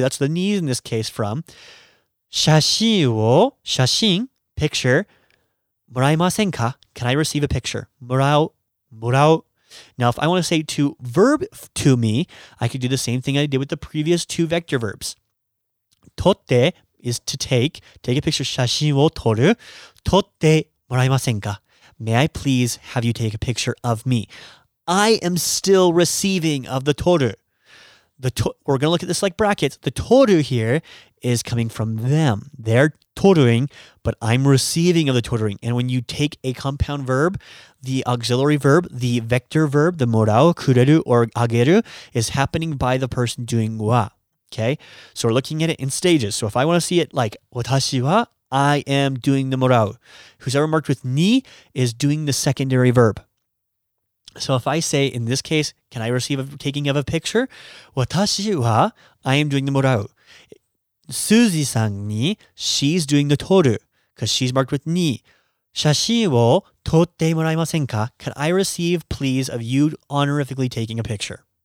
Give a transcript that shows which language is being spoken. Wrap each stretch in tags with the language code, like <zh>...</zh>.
<en>That's the ni in this case from.</en> <ja>写真,</ja> <en>picture,</en> <ja>もらえませんか?</ja> <en>Can I receive a picture?</en> <ja>もらう。</ja> <en>Now, if I want to say to verb to me, I could do the same thing I did with the previous two vector verbs. 撮って is to take a picture,</en> <ja>写真を撮る。撮ってもらえませんか?</ja> <en>May I please have you take a picture of me? I am still receiving of the 撮る。 We're going to look at this like brackets. The 撮る here is coming from them. They're 撮る-ing, but I'm receiving of the 撮る-ing. And when you take a compound verb, the auxiliary verb, the vector verb, the 撮る、kureru, or ageru, is happening by the person doing wa. Okay, so we're looking at it in stages. So if I want to see it like,</en> <ja>私は</ja> <en>I am doing the morau. Who's ever marked with ni is doing the secondary verb. So if I say, in this case, can I receive a taking of a picture?</en> <ja>私は,</ja> <en>I am doing the morau. Suzy san ni, she's doing the toru, because she's marked with ni.</en> <ja>写真を撮ってもらえませんか?</ja> <en>Can I receive, please, of you honorifically taking a picture?</en>